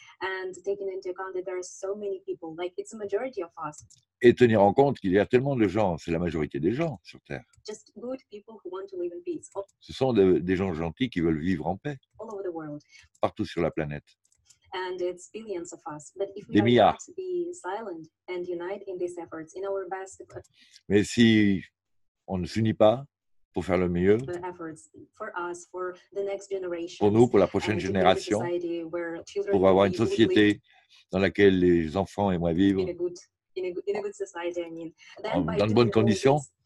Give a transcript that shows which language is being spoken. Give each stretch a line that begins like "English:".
English: And taking into account that there are so many people, like it's a majority of us.
French: Et tenir en compte qu'il y a tellement de gens, c'est la majorité des gens sur Terre.
English: Just good people who want to live in peace.
French: Ce sont des gens gentils qui veulent vivre en paix.
English: All over the world.
French: Partout sur la planète.
English: And it's billions of us. But if
French: des
English: we
French: milliards.
English: To be silent and unite in these efforts, in our best.
French: Mais si on ne s'unit pas pour faire le mieux,
English: the efforts for us, for the next generations,
French: pour nous, pour la prochaine génération, pour avoir une société dans laquelle les enfants aimeraient vivre, dans de bonnes conditions.